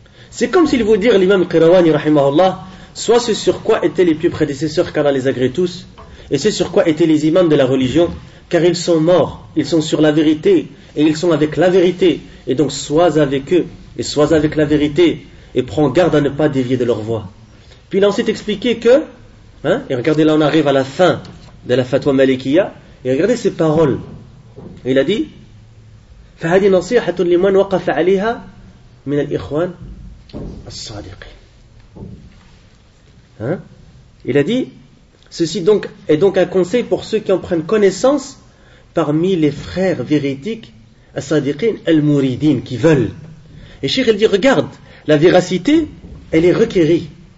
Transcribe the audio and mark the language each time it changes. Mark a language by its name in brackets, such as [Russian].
[French] c'est comme s'il veut dire l'imam Qirawani rahimahullah soit ce sur quoi étaient les plus prédécesseurs qu'Allah les agrée tous et ce sur quoi étaient les imams de la religion car ils sont morts ils sont sur la vérité et ils sont avec la vérité et donc sois avec eux et sois avec la vérité et prends garde à ne pas dévier de leur voie puis il a ensuite expliqué que et regardez là on arrive à la fin de la fatwa Malikiya Et regardez ces paroles. Il a dit [Arabic] فهذه نصيحة لمن وقف عليها من الإخوان الصادقين. Hein? [French] Il a dit ceci donc est donc un conseil pour ceux qui en prennent connaissance parmi les frères véridiques [Arabic] as-sadiqin al-muridin [French] qui veulent. Et Cheikh il dit regarde, la véracité elle est requérie.